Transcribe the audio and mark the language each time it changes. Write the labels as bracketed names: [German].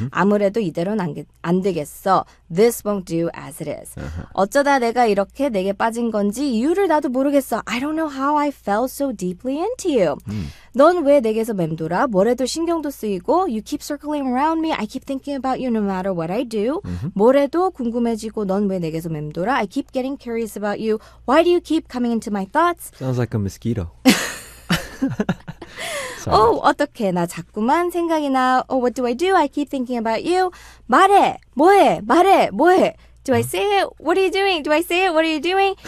[Korean] 아무래도 이대로 안 되겠어. [English] This won't do as it is. [Korean] 어쩌다 내가 이렇게 내게 빠진 건지 이유를 나도 모르겠어. [English] I don't know how I fell so deeply into you. [Korean] 넌 왜 내게서 맴돌아? 뭐래도 신경도 쓰이고 [English] you keep circling around me. I keep thinking about you no matter what I do. [Korean] 뭐래도 궁금해지고 넌 왜 내게서 맴돌아? [English] I keep getting curious about you. Why do you keep coming into my thoughts? Sounds like a mosquito. Oh, [Korean] 어떡해. 나 자꾸만 생각이 나. [English] Oh, what do? I keep thinking about you. [Korean] 말해. 뭐해. 말해. 뭐해. [English] Do I say it? What are you doing? Do I say it? What are you doing?